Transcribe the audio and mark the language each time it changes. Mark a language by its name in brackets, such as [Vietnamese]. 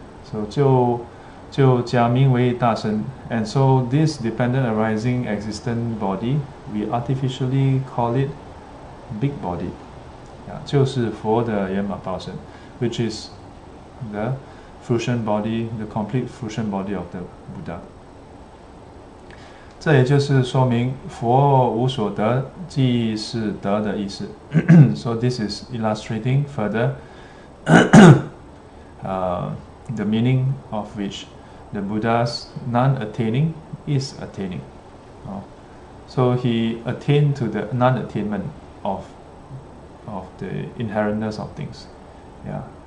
[English] So [Chinese] 就假名为大身。 [English] And so this dependent arising existent body, we artificially call it big body. Yeah, 就是 for the Yenmabaozhen, which is the fruition body, the complete fruition body of the Buddha. [Chinese] 这也就是说明 for 无所得, 即是得的意思. [English] So this is illustrating further the meaning of which the Buddha's non-attaining is attaining. So he attained to the non-attainment of the inherentness of things. Yeah.